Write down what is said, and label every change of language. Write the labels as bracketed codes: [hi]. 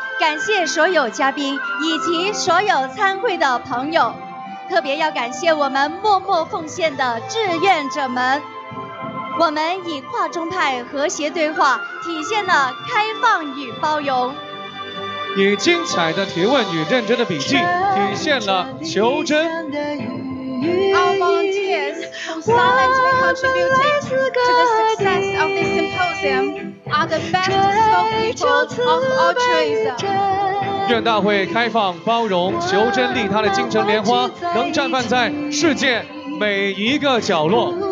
[zh] 感谢所有嘉宾以及所有参会的朋友，特别要感谢我们默默奉献的志愿者们。我们以跨宗派和谐对话体现了开放与包容，以精彩的提问与认真的笔记体现了求真。 [en] Our volunteers who silently contributed to the success of this symposium are the best spokespeople of altruism. [zh] 愿大会开放、包容、求真、利他的精神莲花能绽放在世界每一个角落。